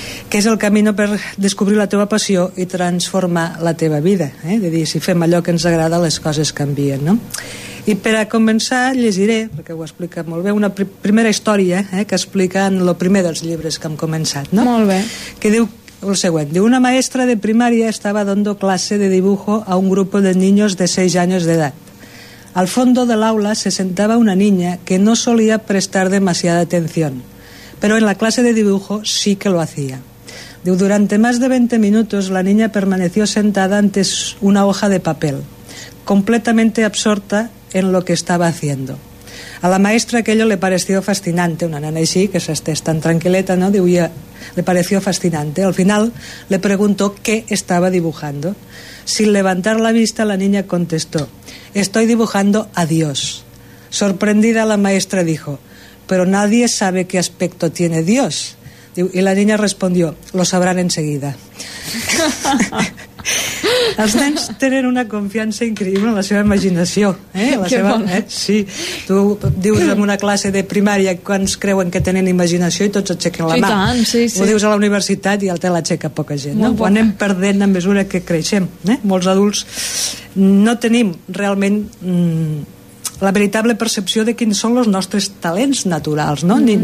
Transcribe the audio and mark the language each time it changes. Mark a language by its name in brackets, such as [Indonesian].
[Catalan] Que és el camí per descobrir la teva passió i transformar la teva vida, de dir, si fem allò que ens agrada, les coses canvien, no? I per a començar llegiré, perquè ho explica molt bé, una primera història que explica en el primer dels llibres que hem començat, no? Molt bé. Que diu el següent. [Spanish] Diu, una maestra de primària estava dando clase de dibujo a un grupo de niños de 6 años de edad. Al fondo de l'aula se sentaba una niña que no solía prestar demasiada atención, pero en la clase de dibujo sí que lo hacía. Diu, durante más de 20 minutos la niña permaneció sentada ante una hoja de papel, completamente absorta en lo que estaba haciendo. A la maestra aquello le pareció fascinante, [Catalan] una nena així, que s'estés tan tranquileta, no? Diu, ja, [Spanish] le pareció fascinante. Al final le preguntó qué estaba dibujando. Sin levantar la vista, la niña contestó, estoy dibujando a Dios. Sorprendida, la maestra dijo, pero nadie sabe qué aspecto tiene Dios. Diu, y la niña respondió, lo sabrán enseguida. [Catalan] Els nens tenen una confiança increïble en la seva imaginació, la seva, sí. Tu dius en una classe de primària quants creuen que tenen imaginació i tots aixequen la mà. I tant, sí. Ho dius a la universitat i el te l'aixeca poca gent, no? Ho anem perdent a mesura que creixem, Molts adults no tenim realment la veritable percepció de quins són els nostres talents naturals, no? Mm-hmm.